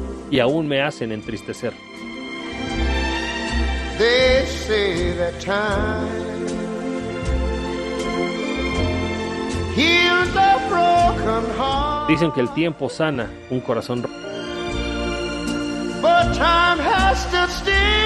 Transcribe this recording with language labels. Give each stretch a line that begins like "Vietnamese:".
Spanish: Y aún me hacen entristecer.
English: They say that time heals a broken heart.
Spanish: Dicen que el tiempo sana un corazón roto.
English: But time has to steal.